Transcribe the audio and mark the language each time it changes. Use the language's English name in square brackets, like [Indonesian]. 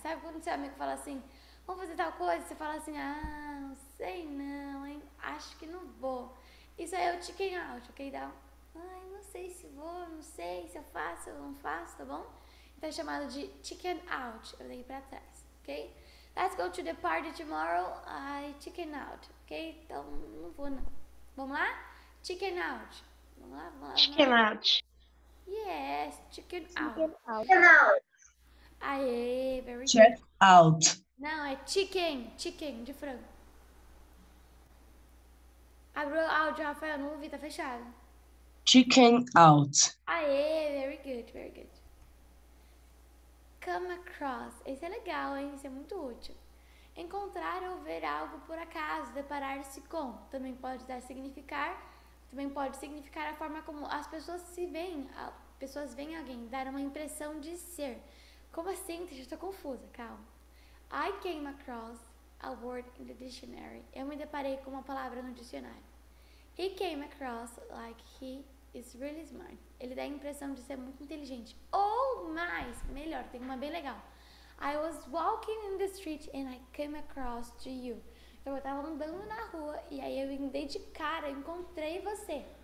[Portuguese] Sabe quando seu amigo fala assim, vamos fazer tal coisa? Você fala assim, ah, não sei não, hein? Acho que não vou. Isso aí é o chicken out, ok? Dá um, ai, não sei se vou, não sei se eu faço ou não faço, tá bom? Então é chamado de chicken out, eu dei para trás, ok? [English] Let's go to the party tomorrow, I chicken out. [Portuguese] Ok? Então, não vou não. Vamos lá? Chicken out. Vamos lá, vamos lá. [English] Chicken out. Yes, chicken out. Chicken out. Aê, very good. Check out. [Portuguese] Não, é chicken, chicken, de frango. Abriu o áudio, Rafael, não ouvi, tá fechado. [English] Chicken out. [Portuguese] Aê, [English] very good, very good. Come across. [Portuguese] Esse é legal, hein? Esse é muito útil. Encontrar ou ver algo por acaso, deparar-se com, também pode dar significar, também pode significar a forma como as pessoas se veem, as pessoas veem alguém, dar uma impressão de ser. Como assim? Eu estou confusa, calma. [English] I came across a word in the dictionary. [Portuguese] Eu me deparei com uma palavra no dicionário. [English] He came across like he is really smart. [Portuguese] Ele dá a impressão de ser muito inteligente. Ou mais, melhor, tem uma bem legal. [English] I was walking in the street and I came across to you. [Portuguese] Então, eu tava andando na rua e aí eu vim de cara, encontrei você.